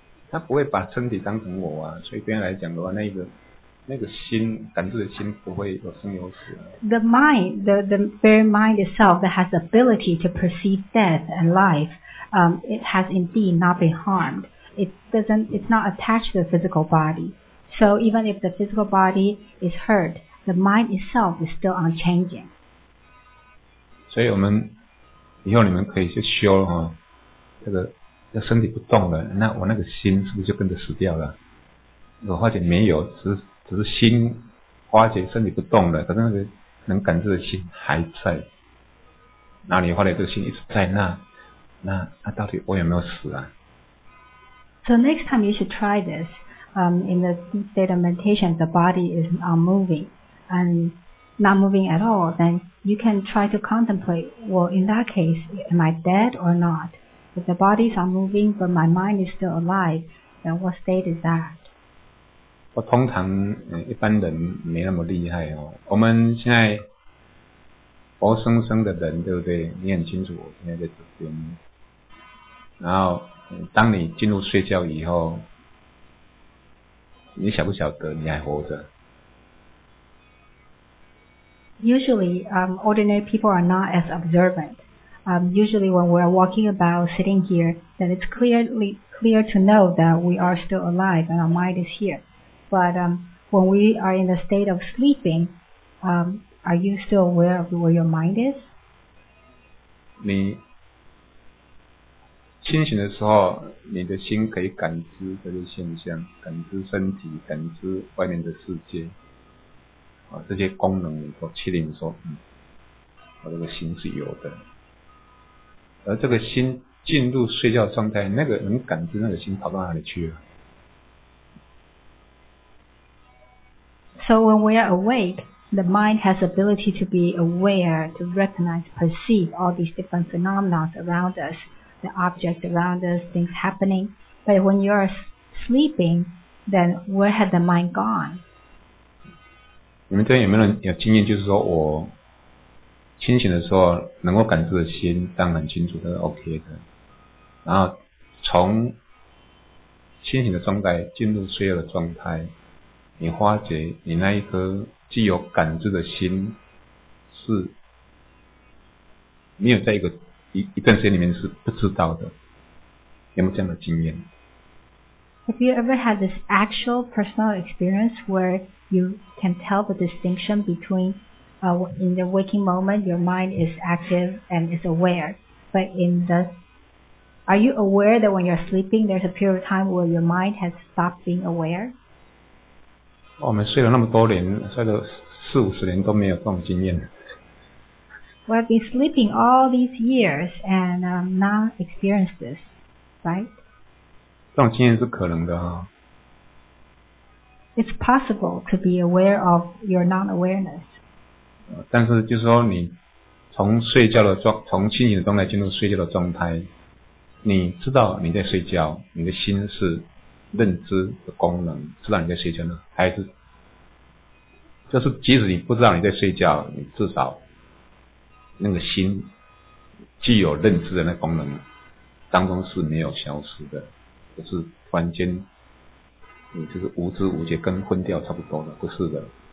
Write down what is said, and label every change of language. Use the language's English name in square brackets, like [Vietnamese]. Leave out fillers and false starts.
[Chinese] 他不会把身体当成我啊，所以对他来讲的话，那个心，感知的心不会有生有死、啊。 [English] The mind, the very mind itself that has the ability to perceive death and life, it has indeed not been harmed. It's not attached to the physical body. So even if the physical body is hurt, the mind itself is still unchanging. [Chinese] 所以我们以后你们可以去修哈、啊，这个。要身体不动了，那我那个心是不是就跟着死掉了？我发现没有，只是只是心发觉身体不动了，可是那个能感知的心还在，那你发觉这个心一直在那，那到底我有没有死啊？ [English] So next time you should try this, in the state of meditation, the body is unmoving and not moving at all, then you can try to contemplate, well, in that case, am I dead or not? If the body is unmoving, but my mind is still alive, then what state is that? [Chinese] 我通常一般人没那么厉害哦。我们现在活生生的人，对不对？你很清楚我现在在这边。然后，当你进入睡觉以后，你晓不晓得你还活着？ [English] Usually, ordinary people are not as observant. Usually, when we are walking about, sitting here, then it's clear to know that we are still alive and our mind is here. But when we are in the state of sleeping, are you still aware of where your mind is? [Chinese] 你清醒的时候，你的心可以感知这些现象，感知身体，感知外面的世界，这些功能你都确定说，我这个心是有的。而这个心进入睡觉状态，那个能感知那个心跑到哪里去了？ [English] So when we are awake, the mind has ability to be aware, to recognize, perceive all these different phenomena around us, the objects around us, things happening. But when you are sleeping, then where has the mind gone? [Chinese] 你们这边有没有人有经验，就是说我清醒的时候能够感知的心当然清楚，这是 OK 的。然后从清醒的状态进入睡觉的状态，你发觉你那一颗具有感知的心是没有在一段时间里面是不知道的，有没有这样的经验？ [English] Have you ever had this actual personal experience where you can tell the distinction between in the waking moment your mind is active and is aware, but are you aware that when you're sleeping there's a period of time where your mind has stopped being aware? [Chinese] 我们睡了那么多年，睡了四五十年都没有这种经验。 [English] Well, I've been sleeping all these years and not experienced this, right? [Chinese] 这种经验是可能的啊。 [English] It's possible to be aware of your non-awareness. [Chinese] 但是就是说你从清醒的状态进入睡觉的状态，你知道你在睡觉，你的心是认知的功能，知道你在睡觉呢，还是就是即使你不知道你在睡觉，你至少那个心具有认知的那功能当中是没有消失的，就是突然间你就是无知无觉跟昏掉差不多了，不是的。